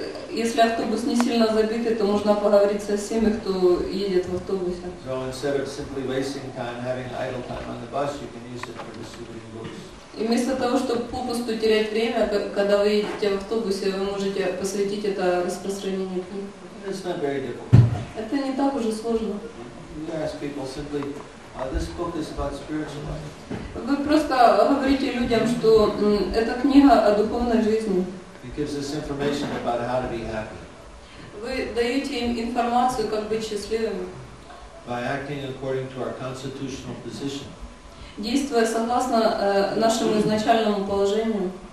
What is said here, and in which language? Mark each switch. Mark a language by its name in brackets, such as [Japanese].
[Russian] Если автобус не сильно забитый, то можно поговорить со всеми, кто едет в автобусе. [English] So instead of simply wasting time, having idle time on the bus, you can use it for distributing books. [Russian] И вместо того, чтобы попусту терять время, когда вы едете в автобусе, вы можете посвятить это распространению книг. [English] It's not very difficult. [Russian] Это не так уже сложно. [English] You ask people simply, this book is about spiritual life. [Russian] Вы просто говорите людям, что эта книга о духовной жизни. [English] It gives us information about how to be happy. [Russian] Вы даете им информацию, как быть счастливым. [English] By acting according to our constitutional position. [Russian] Действуя согласно нашему изначальному положению.